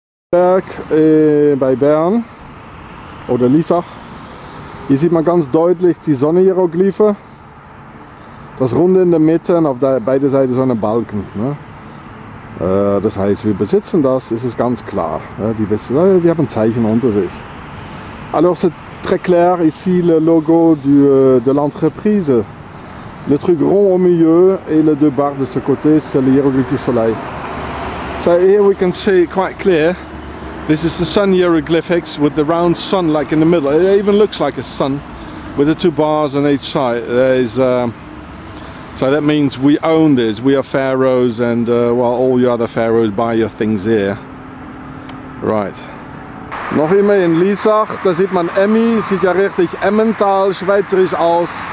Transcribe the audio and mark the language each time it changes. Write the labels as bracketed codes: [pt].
[de] Berg bei Bern oder Lissach. Hier sieht man ganz deutlich die Sonne-Hieroglyphe. Das Runde in der Mitte und auf beide Seiten so eine Balken. Ne? Das heißt, wir besitzen das, ist es ganz klar. Die haben ein Zeichen unter sich. [fr] Alors, c'est très clair, ici le logo de l'entreprise. Le truc rond au milieu et les deux barres de ce côté, c'est l'hieroglyphe du soleil. [en] So here we can see quite clear. This is the sun hieroglyphics with the round sun like in the middle. It even looks like a sun with the two bars on each side. There is so that means we own this, we are pharaohs, and well, all your other pharaohs buy your things here. Right. [de] Noch immer in Lissach, da sieht man Emmy, sieht ja richtig Emmental, schweizerisch aus.